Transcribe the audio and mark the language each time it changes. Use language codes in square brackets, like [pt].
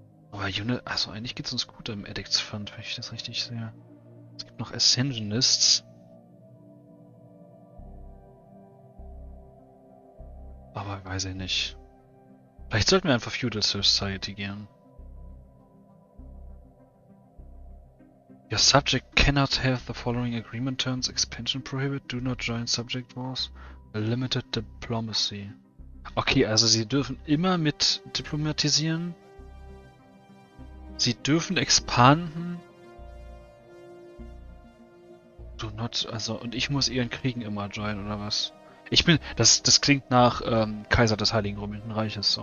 [de] Aber Unity, also eigentlich geht es uns gut im Edicts Fund, wenn ich das richtig sehe. Es gibt noch Ascensionists. Aber weiß ich nicht. Vielleicht sollten wir einfach Feudal Society gehen. [en] Your subject cannot have the following agreement terms. Expansion prohibit. Do not join subject wars. A limited diplomacy. [de] Okay, also sie dürfen immer mit diplomatisieren. Sie dürfen expanden. [en] Do not, [de] also, und ich muss ihren Kriegen immer joinen, oder was? Ich bin, das klingt nach Kaiser des Heiligen Römischen Reiches, so.